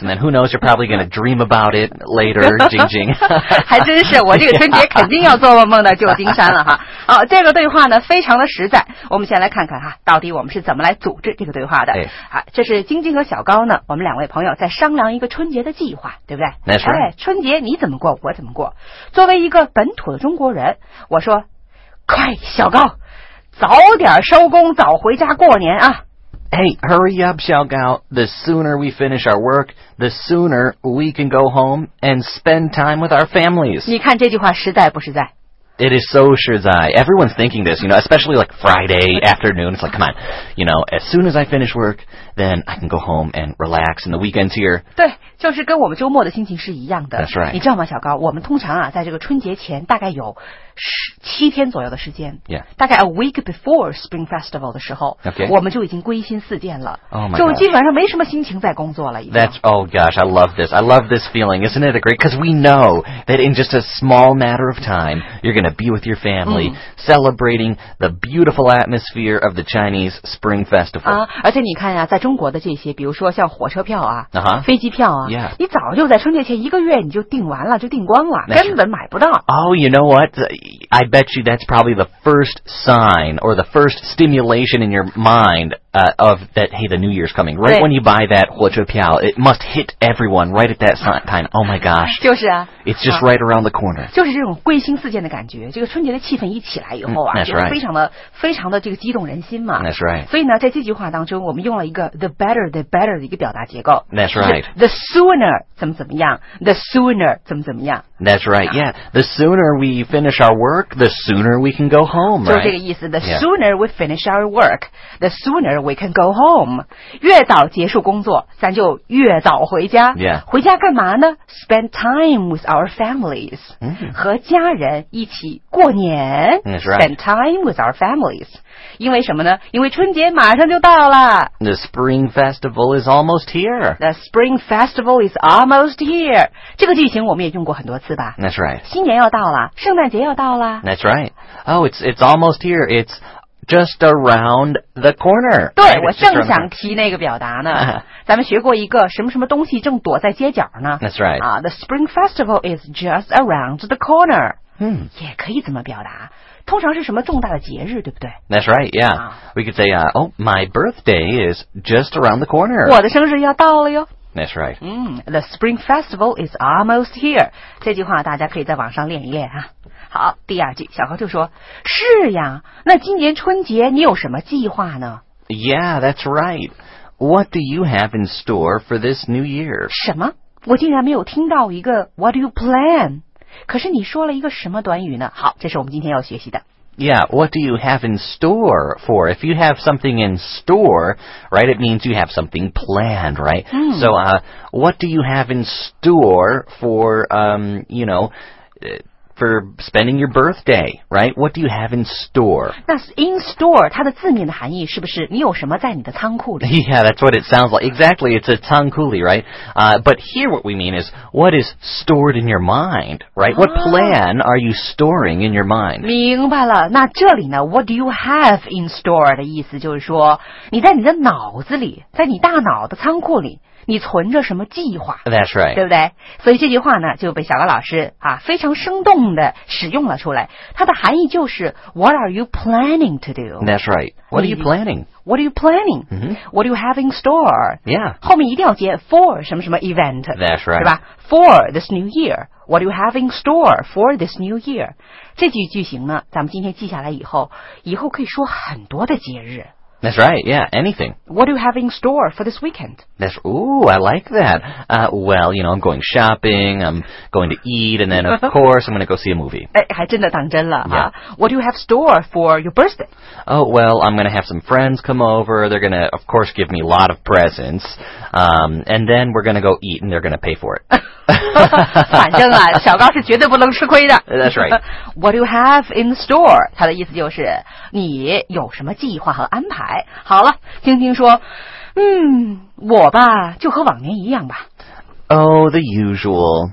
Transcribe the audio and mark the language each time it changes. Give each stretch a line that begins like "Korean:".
English: And then who knows, you're probably going to dream about it later, Jing Jing.
Chinese: 还真是，我这个春节肯定要做噩梦的旧金山了哈。好，这个对话呢非常的实在。我们先来看看哈，到底我们是怎么来组织这个对话的。好，这是晶晶和小高呢，我们两位朋友在商量一个春节的计划，对不对？那是。哎，春节你怎么过，我怎么过？作为一个本土的中国人，我说，快，小高，早点收工，早回家过年啊。
English: Hey, hurry up, Xiao Gao. The sooner we finish our work, the sooner we can go home and spend time with our families.
Chinese: 你看这句话实在不实在？
English: It is so
Chinese: 实在.
English: Everyone's thinking this, you know, especially like Friday afternoon. It's like, come on, you know, as soon as I finish work, then I can go home and relax and the weekend's here.
Chinese: 对，就是跟我们周末的心情是一样的。
English: That's right.
Chinese: 你知道吗，小高，我们通常啊，在这个春节前大概有7天左右的时间。
English: Yeah.
Chinese: 大概
English: a week before Spring Festival
Chinese: 的时候。
English: Okay.
Chinese: 我们就已经归心似箭了。
English: Oh my god.
Chinese: 就基本上没什么心情在工作了。
English: That's, oh gosh, I love this. I love this feeling. Isn't it a great? Because we know that in just a small matter of time, you're going to be with your family, celebrating the beautiful atmosphere of the Chinese Spring Festival.
Chinese: 啊，而且你看呀，在中国的这些，比如说像火车票啊，啊哈，飞机票啊，
English: yeah.
Chinese: 你早就在春节前一个月你就订完了，就订光了，根本买不到。
English: Oh, you know what? I bet you that's probably the first sign or the first stimulation in your mind. Of that, hey, the New Year's coming. Right when you buy that 火车票, it must hit everyone right at that time. Oh my gosh.
Chinese: 就是啊。
English: It's just right around the corner.
Chinese: 就是这种归心似箭的感觉。这个春节的气氛一起来以后啊，
English: that's right.
Chinese: 非常的非常的这个激动人心嘛。
English: That's right.
Chinese: 所以呢，在这句话当中，我们用了一个
English: the better
Chinese: 的一个表达结构。
English: That's right. The sooner
Chinese: 怎么怎么样 ，
English: the sooner
Chinese: 怎么怎么样。
English: That's right. Yeah. The sooner we finish our work, the sooner we can go home.
Chinese: 就是这个意思。
English: The sooner we finish our work, the sooner we can go home.
Chinese: 越早结束工作，咱就越早回家。
English: Yeah.
Chinese: 回家干嘛呢
English: ？Spend time with our families.
Chinese: 和家人一起过年。
English: That's right. Spend time with our families.
Chinese: 因为什么呢？因为春节马上就到了。
English: The Spring Festival is almost here. The Spring Festival is almost here.
Chinese: 这个句型我们也用过很多。
English: That's right.
Chinese: 新年要到了，圣诞节要到了。
English: That's right. Oh, it's almost here. It's just around the corner.
Chinese: 对，
English: right?
Chinese: 我正想提那个表达呢。咱们学过一个什么什么东西正躲在街角呢。
English: That's right. The Spring Festival is just around the corner.
Chinese: 也可以怎么表达？通常是什么重大的节日，对不对
English: ？That's right. Yeah. We could say, oh, my birthday is just around the corner.
Chinese: 我的生日要到了哟。
English: That's right. The Spring Festival is almost here.
Chinese: 这句话大家可以在网上练一练啊。好，第二句，小高就说：“是呀，那今年春节你有什么计划呢
English: ？”Yeah, that's right. What do you have in store for this New Year?
Chinese: 什么？我竟然没有听到一个
English: What do you plan?
Chinese: 可是你说了一个什么短语呢？好，这是我们今天要学习的。
English: Yeah, what do you have in store for? If you have something in store, right, it means you have something planned, right? So, what do you have in store for, you know, for spending your birthday, right? What do you have in store?
Chinese: 那
English: in store,
Chinese: 它的字面的含义是不是你有什么在你的仓库里
English: Yeah, that's what it sounds like. Exactly, it's a
Chinese: 仓库里
English: right? But here what we mean is, what is stored in your mind, right? What plan are you storing in your mind?
Chinese: 明白了。那这里呢
English: what do you have in store
Chinese: 的意思就是说你在你的脑子里在你大脑的仓库里你存着什么计划
English: That's right.
Chinese: 对不对？所以这句话呢就被小高老师啊非常生动的使用了出来。它的含义就是
English: What are you planning to do? That's right. What are you planning? What are you planning? What do you have in store? Yeah.
Chinese: 后面一定要接
English: for
Chinese: 什么什么
English: event. That's right.
Chinese: 是吧
English: ?For this new year. What do you have in store for this new year?
Chinese: 这句句型呢咱们今天记下来以后以后可以说很多的节日。
English: That's right, yeah, anything. What do you have in store for this weekend? That's, ooh, I like that. Well, you know, I'm going shopping, I'm going to eat, and then, of course, I'm going to go see a movie.
Chinese: 哎，还真的当真了啊。
English: What do you have in store for your birthday? Oh, well, I'm going to have some friends come over. They're going to, of course, give me a lot of presents. And then we're going to go eat, and they're going to pay for it.
Chinese: 反正啊，小高是绝对不能吃亏的。
English: That's right. What do you have in store?
Chinese: 他的意思就是你有什么计划和安排？好了，晶晶说，我吧，就和往年一样吧。
English: Oh, the usual.